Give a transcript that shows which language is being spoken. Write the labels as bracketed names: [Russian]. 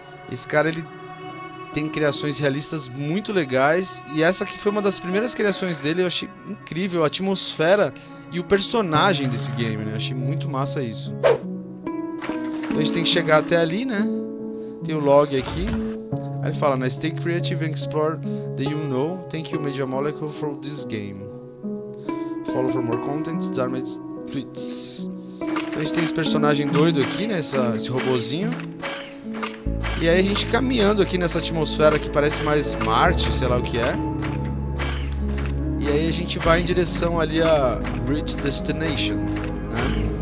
[Portuguese] Esse cara, ele tem criações realistas muito legais, e essa aqui foi uma das primeiras criações dele. Eu achei incrível a atmosfera e o personagem desse game, né? Eu achei muito massa isso. Então a gente tem que chegar até ali, né? Tem o log aqui. Aí ele fala, né? [English] Stay creative and explore the you know. Thank you, Media Molecule, for this game. Follow for more content, Disarmed Tweets. [Portuguese] Então a gente tem esse personagem doido aqui, né? Esse robôzinho. E aí a gente caminhando aqui nessa atmosfera que parece mais Marte, sei lá o que é. E aí a gente vai em direção ali a Reach Destination, né?